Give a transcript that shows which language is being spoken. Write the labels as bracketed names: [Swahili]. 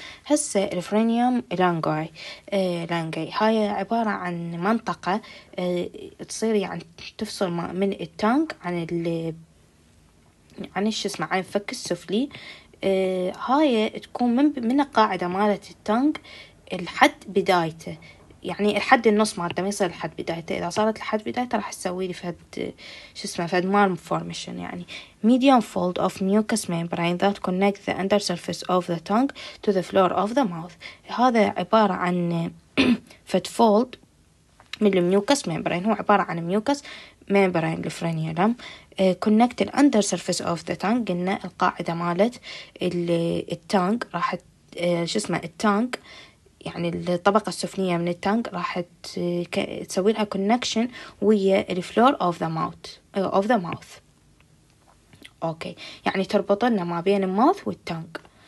[Arabic] هسه الفرينيوم لانجاي، هاي عبارة عن منطقة تصير يعني تفصل من التانك عن عن الفك السفلي. هاي تكون من القاعدة مالت التنغ لحد بدايته، يعني لحد النص مالته، ما يصير لحد بدايته. إذا صارت لحد بدايته راح تسوي لي فد مال مفورميشن، يعني [English] medium fold of mucous membrane that connect the under surface of the tongue to the floor of the mouth. [Arabic] هذا عبارة عن فد fold من الميوكس ميمبرين، هو عبارة عن ميوكس ميمبرين الفرينيوم. [English] connect the under surface of the tongue، [Arabic] قلنا القاعدة مالت التانك راح التانك يعني الطبقة السفلية من التانك راح تسوي لها connection ويا الفلور [English] of the mouth [Arabic] اوكي، يعني تربط لنا ما بين الماوث والتانك.